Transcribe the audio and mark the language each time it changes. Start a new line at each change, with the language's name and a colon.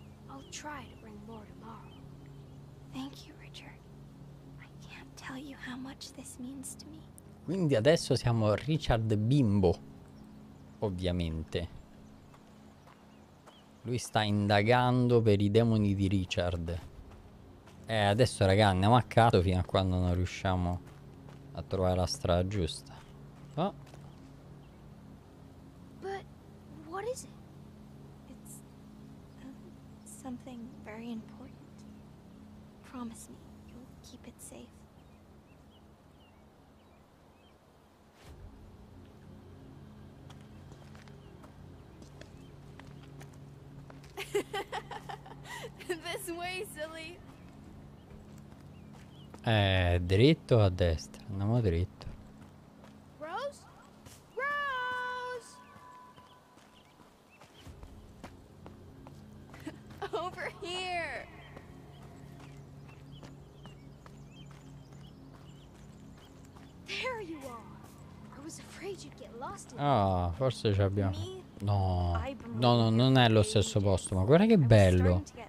English: I'll try to bring more tomorrow. Thank you, Richard. I can't tell you how much this means to me.
Italian: Quindi adesso siamo Richard Bimbo, ovviamente. Lui sta indagando per i demoni di Richard. E adesso raga andiamo a caso fino a quando non riusciamo a trovare la strada giusta. Oh.
English: But what is it? It's something very important. Promise me you'll keep it safe. This way, silly.
Italian: Dritto a destra. Andiamo dritto.
English: Rose? Rose! Over here. There you are. I was afraid you'd get lost.
Italian: Ah, forse ci abbiamo. No. No, no, non è lo stesso posto, ma guarda che bello.